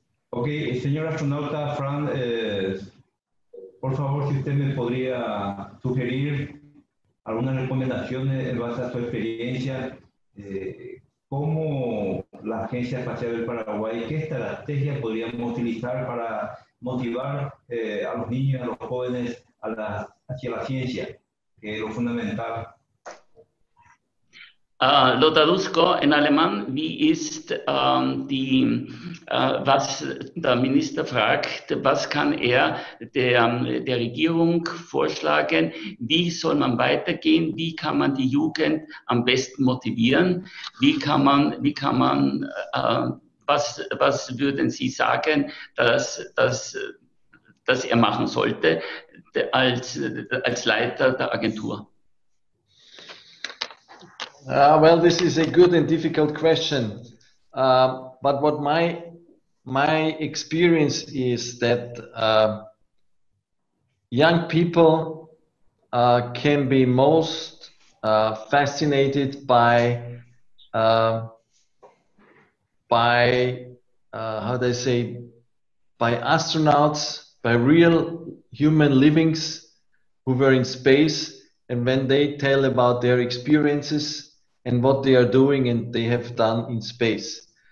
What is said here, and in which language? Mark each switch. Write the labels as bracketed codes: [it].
[es] Ok, señor astronauta Fran, por favor, si usted me podría sugerir algunas recomendaciones en base a su experiencia, ¿cómo la Agencia Espacial del Paraguay, qué estrategia podríamos utilizar para motivar a los niños, a los jóvenes, hacia la ciencia, que es lo fundamental? Lo traduzco en alemán. [de] Wie ist die, was der Minister fragt, was kann er der Regierung vorschlagen, wie soll man weitergehen, wie kann man die Jugend am besten motivieren, was würden Sie sagen, dass er machen sollte als Leiter der Agentur? [en] Well, this is a good and difficult question, but what my experience is that young people can be most fascinated by astronauts, by real human livings who were in space, and when they tell about their experiences and what they are doing and they have done in space.